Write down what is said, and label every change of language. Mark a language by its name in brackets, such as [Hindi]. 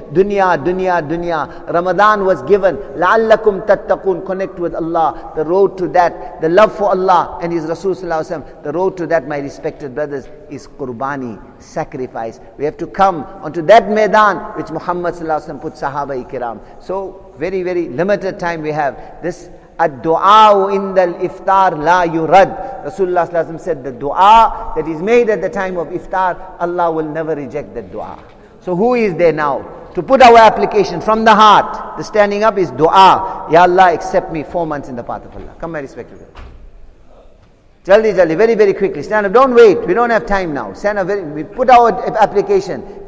[English] Dunya. Ramadan was given. [Arabic] لَعَلَّكُمْ تَتَّقُونَ. [English] Connect with Allah. The road to that, the love for Allah and His Rasul sallallahu alayhi wa sallam. The road to that, my respected brothers, is qurbani, sacrifice. We have to come onto that maidan which Muhammad sallallahu alayhi wa sallam put sahaba ikram. So, very, very limited time we have. This [Arabic] الدعاو عند الافطار لا يرد. [English] Rasulullah sallallahu alaihi wasallam said, the dua that is made at the time of iftar, Allah will never reject that dua. So who is there now to put our application from the heart? The standing up is dua. Ya Allah, accept me 4 months in the path of Allah. Come, my respected brother. Jaldi, very, very quickly. Stand up, don't wait. We don't have time now. Stand up, we put our application.